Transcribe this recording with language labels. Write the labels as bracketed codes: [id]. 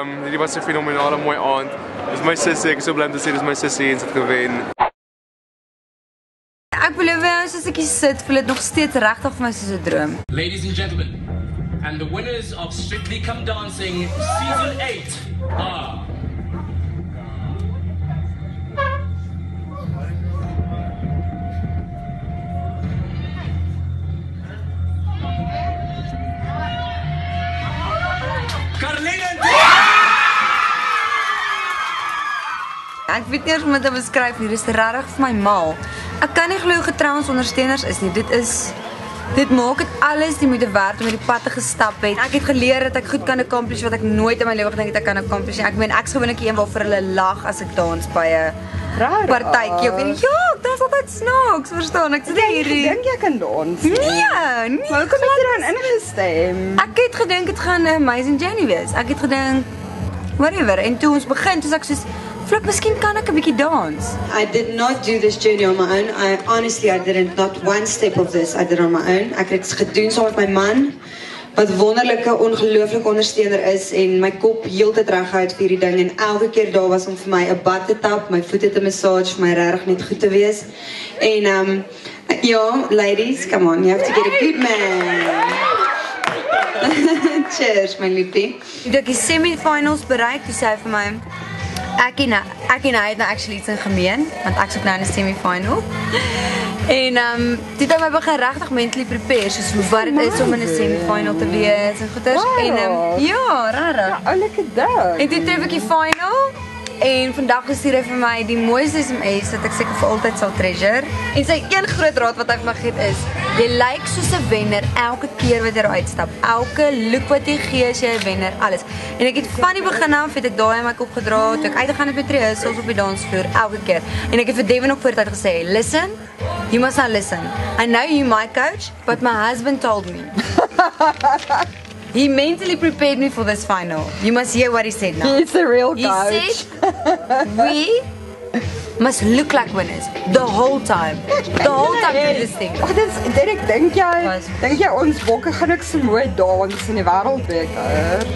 [af] Dit was 'n fenomenale mooi aand. Dit is my sussie, ek is so bly om te sê, dit is my sussie en sy het gewen. Ek beloof jou, soos ek hier sit, voel dit nog steeds regtig vir my soos 'n droom. [en] Ladies and gentlemen, and the winners of Strictly Come Dancing Season 8 are... [af] Ek weet nie eens hoe om dit beskryf nie, dis regtig vir my mal. Ek kan nie glo hoe getrou ons ondersteuners is nie. Dit maak dit alles die moeite werd om hierdie pad te gestap het. Ek het geleer dat ek goed kan accomplish wat ek nooit in my lewe gedink het ek kan accomplish. Ek meen ek is gewoonlik een waarvoor hulle lag as ek dans by 'n partytjie. Ek meen ja, dit is altyd snaaks, verstaan ek. Sê hierdie. Ek dink jy kan dans. Nee. Maar hoekom het jy dan ingestem? Ek het gedink dit gaan 'n [en] amazing journey [af] wees. Ek het gedink whatever en toe ons begin, toe ek soos Flip, miskien kan ek 'n bietjie dans. [en] I did not do this journey on my own. I honestly did not one step of this. I did it on my own. [af] Ek het gedoen saam met my man wat wonderlike ongelooflike ondersteuner is en my kop heeltyd reguit vir hierdie ding en elke keer daar was om vir my 'n bad te tap, my voete te massage, my regtig net goed te wees. En ja, [en] ladies, come on, you have to get a good man. [af] Cheers, my liefie. Jy het die semi-finals bereik, jy sê vir my. Ek en hy het nou actually iets in gemeen, want ek soek nou in die semi-final. En dit het my begin regtig [en] mentally prepare, [af] soos wat dit is om in die semi-final te wees en goeders. [en] Wow. [af] En ja, rara. Ja, oulike dag. En toe tref ek die final en vandag gestuur hy vir my die mooiste SMS dat ek seker vir altyd sal treasure. En sy een groot raad wat hy vir my gee is, jy lyk soos 'n wenner elke keer wat jy uitstap. Elke look wat jy gee is jy 'n wenner, alles. En ek het van die begin af het ek daai in my kop gedra, toe ek uitgegaan het met rehearsals op die dansvloer elke keer. En ek het vir Devon ook voor tyd gesê, [en] listen, you must not listen. I know you my coach, but my husband told me. He mentally prepared me for this final. You must hear what he said now. He's a real coach. He said, we must look like winners the whole time. The whole time through this thing. [af] Oh, dis, Derick, dink jy ons bokke gaan ook so mooi dans in die wêreld beker?